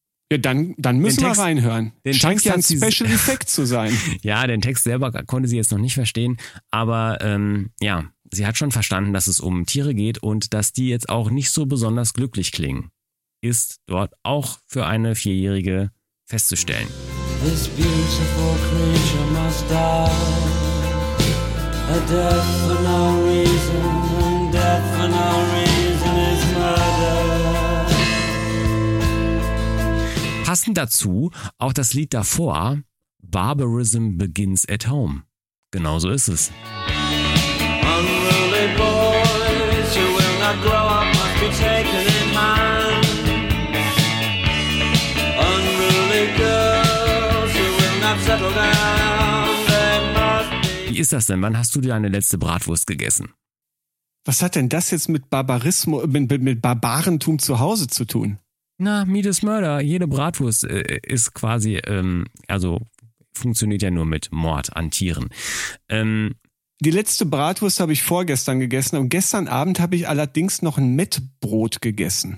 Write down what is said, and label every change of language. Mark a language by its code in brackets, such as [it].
[de] Ja, dann müssen den Text, wir reinhören. Den Scheint Text ja ein Special Effect zu sein. Ja, den Text selber konnte sie jetzt noch nicht verstehen. Aber ja, sie hat schon verstanden, dass es um Tiere geht und dass die jetzt auch nicht so besonders glücklich klingen. Ist dort auch für eine Vierjährige festzustellen. [en] This beautiful creature must die. A death for no reason. And death for no reason is murder. [de] Passend dazu auch das Lied davor, Barbarism Begins at Home. Genauso ist es. [en] Unruly boys, you will not grow up, must be taken in hand. Unruly girls, you will not settle down, they must be. [de] Wie ist das denn? Wann hast du deine letzte Bratwurst gegessen? Was hat denn das jetzt mit Barbarismus, mit Barbarentum zu Hause zu tun? Na, Meat is Murder. Jede Bratwurst ist quasi, also funktioniert ja nur mit Mord an Tieren. Die letzte Bratwurst habe ich vorgestern gegessen und gestern Abend habe ich allerdings noch ein Mettbrot gegessen.